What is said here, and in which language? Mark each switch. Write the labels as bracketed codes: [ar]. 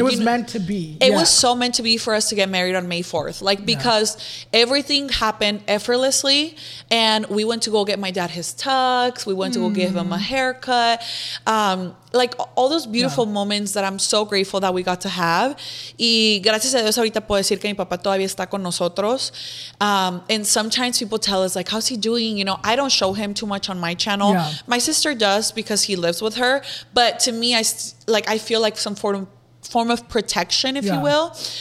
[en] it was meant to be. It was so meant to be for us to get married on May 4th. Like, because everything happened effortlessly. And we went to go get my dad his tux. We went to go give him a haircut. Like, all those beautiful moments that I'm so grateful that we got to have. [es] Y gracias a Dios, ahorita puedo decir que mi papá todavía está con nosotros. [en] And sometimes people tell us, like, how's he doing? You know, I don't show him too much on my channel. Yeah. My sister does because he lives with her. But to me, I feel like some form of protection, if you will.